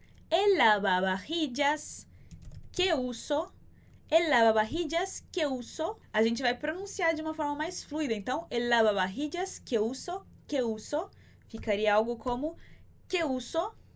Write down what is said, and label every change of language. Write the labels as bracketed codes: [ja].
[es] El lava vajillas que uso. El lava vajillas que uso. [pt] A gente vai pronunciar de uma forma mais fluida. Então, [es] el lava vajillas que uso. Que uso. [pt] Ficaria algo como [es] que uso.